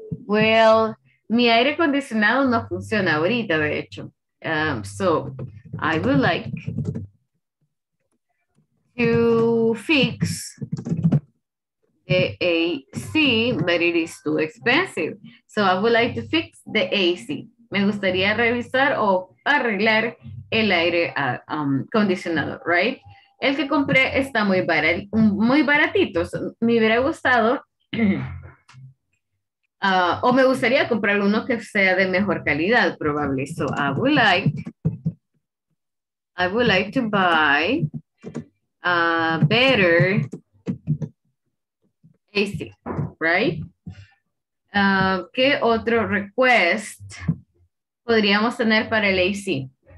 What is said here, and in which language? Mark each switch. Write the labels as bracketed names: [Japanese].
[Spanish] Well, mi aire acondicionado no funciona ahorita, de hecho. [English] So, I would like to fix the AC, but it is too expensive. So, I would like to fix the AC. [Spanish] Me gustaría revisar o arreglar el aire acondicionado, right? El que compré está muy baratito. So, me hubiera gustado... o me gustaría comprar uno que sea de mejor calidad, probably. [English] So I would like to buy a better AC, right? [Spanish] ¿Qué otro request podríamos tener para el AC?